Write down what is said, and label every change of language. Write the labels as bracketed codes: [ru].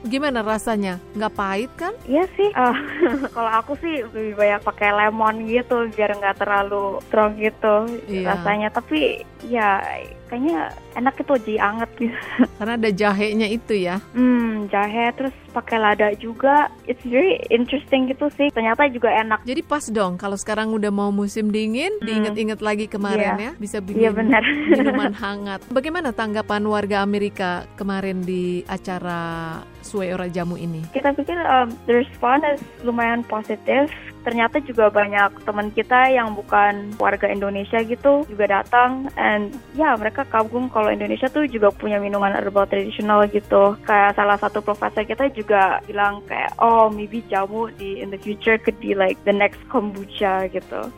[id] Gimana rasanya? Nggak pahit kan? Iya sih. Kalau aku sih lebih banyak pakai lemon gitu biar nggak terlalu strong gitu rasanya. Tapi ya kayaknya enak itu jadi anget gitu. Karena ada jahenya itu ya? Jahe terus pakai lada juga. [en] It's very interesting gitu sih. [id] Ternyata juga enak. Jadi pas dong kalau sekarang udah mau musim dingin, diinget-inget lagi kemarin ya. Bisa bikin minuman hangat. Bagaimana tanggapan warga Amerika kemarin di acara Sue Ora Jamu ini? Kita pikir [en] the response is lumayan positive. [id] ternyata juga banyak teman kita yang bukan warga Indonesia gitu juga datang, and ya mereka kagum kalau Indonesia tuh juga punya minuman herbal tradisional gitu. Kayak salah satu profesor kita juga bilang kayak, [en] oh maybe jamu di in the future could be like the next kombucha [id] gitu.